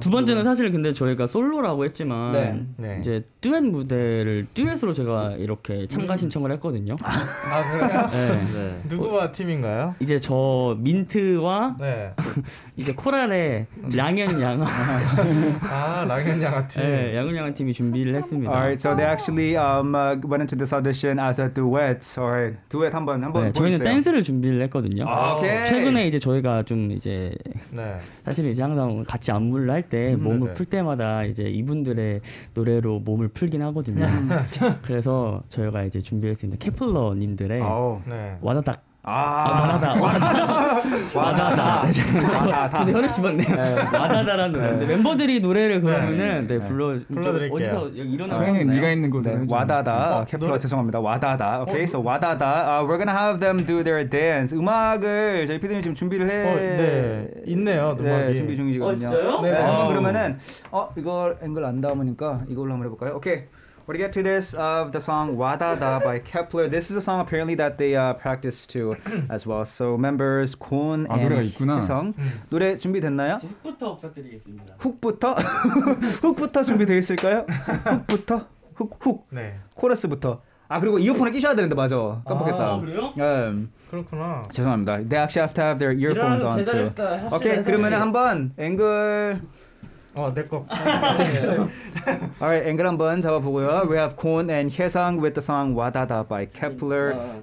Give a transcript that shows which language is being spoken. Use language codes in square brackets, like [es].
[ko] 두 번째는 사실 근데 저희가 솔로라고 했지만 네. 네. 이제 듀엣 무대를 듀엣으로 제가 이렇게 참가 신청을 했거든요. 아 그래요? 네. 네. 누구와 팀인가요? 이제 저 민트와 네. 이제 코랄의 랑현 양아. 아 랑현 양아 팀. 네, 양현 양아 팀이 준비를 했습니다. [en] All right, so they actually went into this audition as a duet. All right, duet [ko] 한번 네, 저희는 댄스를 준비를 했거든요. 아, 오케이. 최근에 이제 저희가 좀 이제 네. 사실 이제 항상 같이 안무를 할 때 몸을 네. 풀 때마다 이제 이분들의 노래로 몸을 풀긴 하거든요. 그래서 저희가 이제 준비했습니다. 케플러님들의 와다닥. 와다다. 와다다. 저도 혈액 씹었네요. 와다다라는 노래. 멤버들이 노래를 그러면은 네, 네. 네 불러드릴게요. 어디서 일어나요? 형님, 네가 있는 곳에. 네. 와다다. 캡플러 죄송합니다. 와다다. 오케이, 어? so 와다다. [en] We're gonna have them do their dance. [ko] 음악을 저희 PD님 지금 준비를 해. 네. 있네요. 음악이 네, 준비 중이거든요. 어, 진짜요? 네. 그러면은 이걸 앵글 안 담으니까 이걸로 한번 해볼까요? 오케이. [en] We're gonna get to this of the song Wadada by Kepler. This is a song apparently that they practice to as well. So members Kwon 아, and Hyesung. [ko] 노래 준비됐나요? 저 훅부터 부탁드리겠습니다. 훅부터? 훅부터 준비되어 있을까요? 훅부터? 훅. 네. 코러스부터. 아 그리고 이어폰을 끼셔야 되는데 맞아. 깜빡했다. 아 그래요? 네. 그렇구나. 죄송합니다. [en] They actually have to have their earphones on too. [ko] 일하는 제자리였어요. 확실히 오케이 그러면 한번 앵글 [en] All right, [ko] 앵글 한번 잡아보고요. [en] We have Kwon and Hyesung with the song Wadada by Kepler.